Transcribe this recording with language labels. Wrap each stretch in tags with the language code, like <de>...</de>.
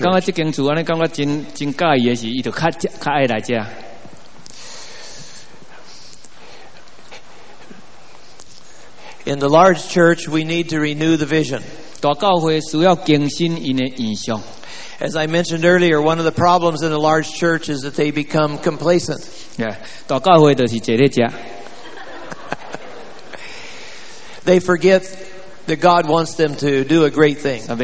<nan>感觉这间厝，你感觉真介意的是，伊就较爱来遮。</nan> <en>In the large church, we need to renew the vision.</en> <nan>大教会需要更新伊的印象。</nan> <en>As I mentioned earlier, one of the problems in a large church is that they become complacent.</en> <nan>Yeah, 大教会就是坐在遮。</nan> <en>They forget that God wants them to do a great thing.</en>